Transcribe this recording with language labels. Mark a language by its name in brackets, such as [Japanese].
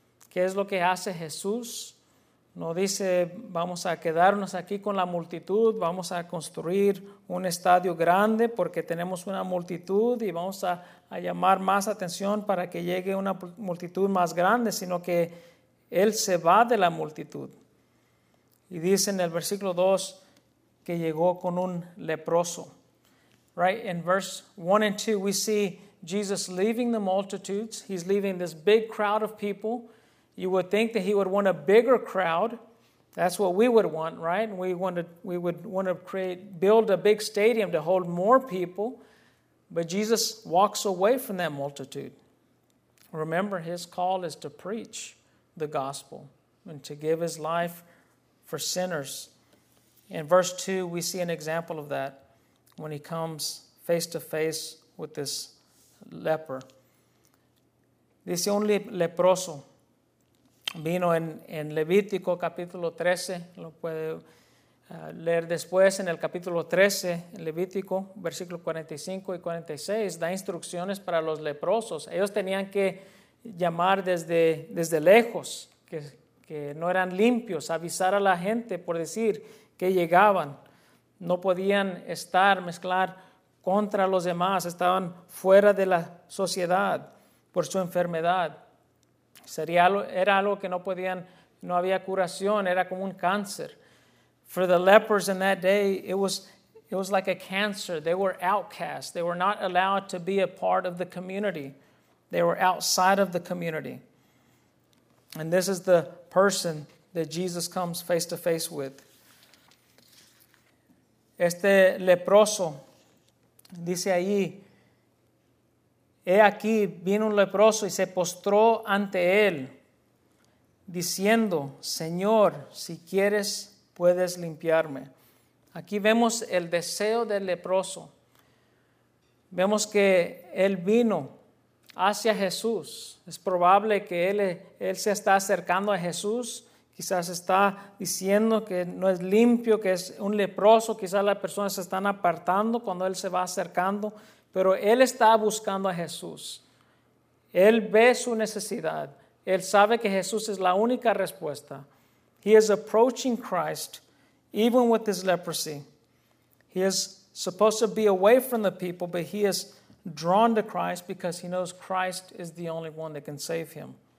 [Spanish] ¿Qué es lo que hace Jesús? No dice, vamos a quedarnos aquí con la multitud, vamos a construir un estadio grande porque tenemos una multitud y vamos a llamar más atención para que llegue una multitud más grande, sino que Él se va de la multitud. Y dice en el versículo 2 que llegó con un leproso. [English] Right, in verse 1 and 2 we see Jesus leaving the multitudes. He's leaving this big crowd of people. You would think that he would want a bigger crowd. That's what we would want, right? We would want to build a big stadium to hold more people. But Jesus walks away from that multitude. Remember, his call is to preach the gospel and to give his life for sinners. In verse 2, we see an example of that when he comes face to face with this leper. [Spanish] Dice un leproso. Vino en Levítico capítulo 13, lo puede leer después en el capítulo 13, en Levítico, versículo 45 y 46, da instrucciones para los leprosos. Ellos tenían que llamar desde lejos, que no eran limpios, avisar a la gente por decir que llegaban. No podían mezclar contra los demás, estaban fuera de la sociedad por su enfermedad. Era algo que no podían, no había curación, era como un cáncer. [English] For the lepers in that day, it was like a cancer. They were outcast. They were not allowed to be a part of the community. They were outside of the community. And this is the person that Jesus comes face to face with. [Spanish] Este leproso dice ahí, he aquí, vino un leproso y se postró ante él, diciendo, Señor, si quieres, puedes limpiarme. Aquí vemos el deseo del leproso. Vemos que él vino hacia Jesús. Es probable que él se está acercando a Jesús. Quizás está diciendo que no es limpio, que es un leproso. Quizás las personas se están apartando cuando él se va acercando. Pero él está buscando a Jesús. Él ve su necesidad. Él sabe que Jesús es la única respuesta. [English] He is approaching Christ, even with his leprosy. He is supposed to be away from the people, but he is drawn to Christ because he knows Christ is the only one that can save him.